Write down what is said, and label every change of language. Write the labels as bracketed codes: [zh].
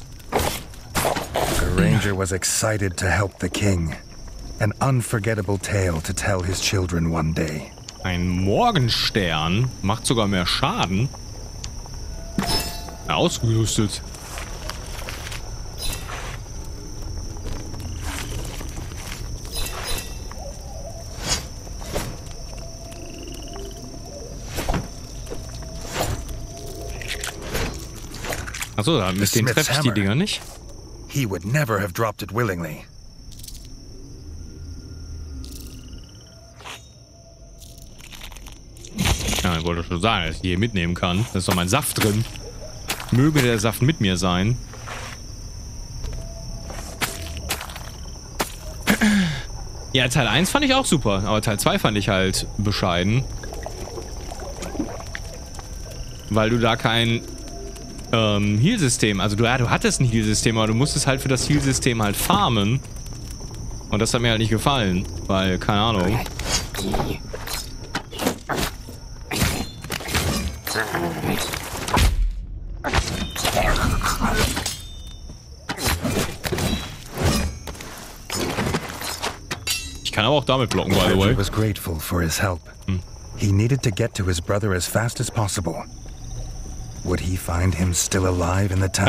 [en] The ranger was excited to help the king. An unforgettable tale to tell his children one day. [de] Ein Morgenstern macht sogar mehr Schaden. Ausgerüstet. Achso, mit dem treffe ich die Dinger nicht. [en] He would never have dropped it willingly. [de] Ja, ich wollte schon sagen, dass ich hier mitnehmen kann. Da ist doch mein Saft drin. Möge der Saft mit mir sein. Ja, Teil 1 fand ich auch super, aber Teil 2 fand ich halt bescheiden. Weil du da kein Heal-System, also du hattest ein Heal-System, aber du musstest halt für das Heal-System halt farmen. Und das hat mir halt nicht gefallen, weil, keine Ahnung. Ich kann aber auch damit blocken, [en] by the way. Was grateful for his help. He needed to get to his brother as fast as possible. Would he find him still alive in the tower?